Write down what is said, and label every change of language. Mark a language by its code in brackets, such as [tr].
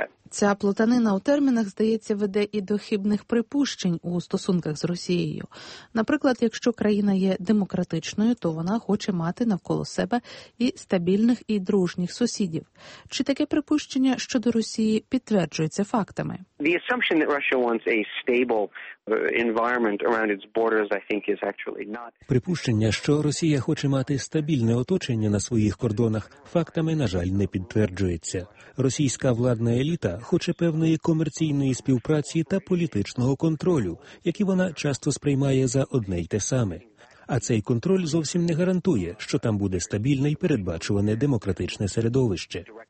[uk] Ця плутанина у термінах, здається, веде і до хибних припущень у стосунках з Росією. Наприклад, якщо країна є демократичною, то вона хоче мати навколо себе і стабільних, і дружніх сусідів. Чи таке припущення щодо Росії підтверджується фактами? [en] The assumption that Russia wants a stable environment around its borders, I think, is actually not. [uk] Припущення, що Росія хоче мати стабільне оточення на своїх кордонах, фактами, на жаль, не підтверджується. Російська владна еліта хоче певної комерційної співпраці та політичного контролю, які вона часто сприймає за одне й те саме. А цей контроль зовсім не гарантує, що там буде стабільне і передбачуване демократичне середовище.